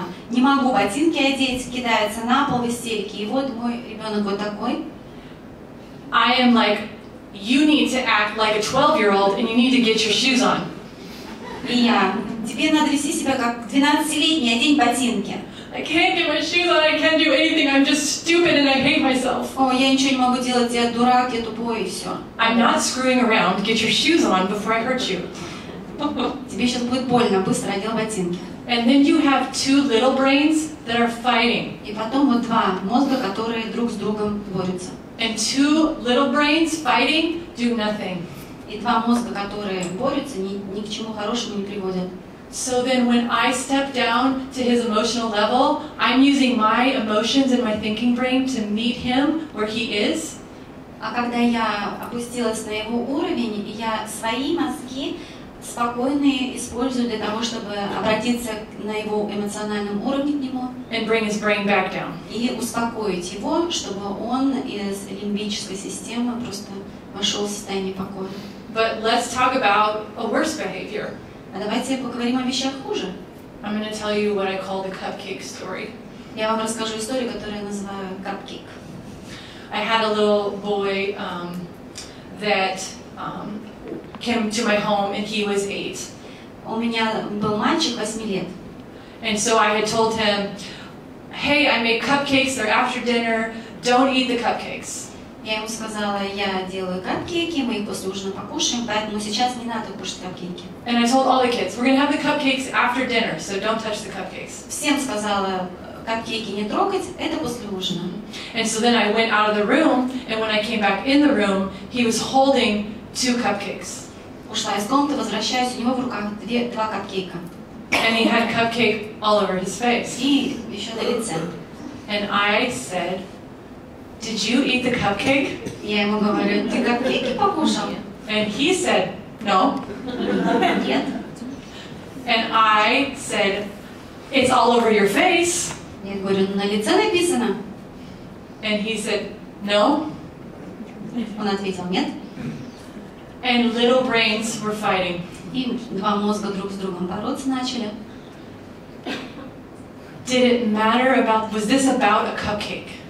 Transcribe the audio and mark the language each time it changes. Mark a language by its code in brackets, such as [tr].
[ru] Не могу ботинки одеть, кидается на пол в истерике, и вот мой ребенок вот такой. [en] I am like, you need to act like a 12-year-old, and you need to get your shoes on. [ru] И я, тебе надо вести себя как 12-летний, одень ботинки. [en] I can't get my shoes on, I can't do anything, I'm just stupid and I hate myself. [ru] О, я ничего не могу делать, я дурак, я тупой, и все. [en] I'm not screwing around, get your shoes on before I hurt you. [ru] Тебе сейчас будет больно, быстро одел ботинки. [en] And then you have two little brains that are fighting. [ru] И потом вот два мозга, которые друг с другом борются. [en] And two little brains fighting do nothing. [ru] И два мозга, которые борются, ни к чему хорошему не приводят. [en] So then when I step down to his emotional level, I'm using my emotions and my thinking brain to meet him where he is. [ru] А когда я опустилась на его уровень, я свои мозги спокойные использую для того, чтобы обратиться на его эмоциональном уровне к нему. [en] And bring his brain back down. [ru] И успокоить его, чтобы он из лимбической системы просто вошел в состояние покоя. [en] But let's talk about a worse behavior. [ru] А давайте поговорим о вещах хуже. [en] I'm going to tell you what I call the cupcake story. [ru] Я вам расскажу историю, которую я называю cupcake. [en] I had a little boy that came to my home and he was 8. [ru] У меня был мальчик 8 лет. [en] And so I had told him, "Hey, I make cupcakes, they're after dinner. Don't eat the cupcakes." [ru] Я ему сказала, я делаю капкейки, мы их после ужина покушаем, поэтому сейчас не надо кушать капкейки. [en] And I told all the kids, we're going to have the cupcakes after dinner, so don't touch the cupcakes. [ru] Всем сказала, капкейки не трогать, это после ужина. [en] And so then I went out of the room, and when I came back in the room, he was holding two cupcakes. [ru] Ушла из комнаты, возвращаюсь, у него в руках два капкейка. [en] And he had cupcake all over his face. [ru] И еще на лице. [en] And I said, Did you eat the cupcake? [ru] Я ему говорю, ты капкейки покушал? [en] And he said, no. [ru] Нет. [en] And I said, it's all over your face. [ru] Я говорю, на лице написано. [en] And he said, no. [ru] Он ответил, нет. [en] And little brains were fighting. [ru] И два мозга друг с другом бороться начали. [en] Did it matter about, was this about a cupcake?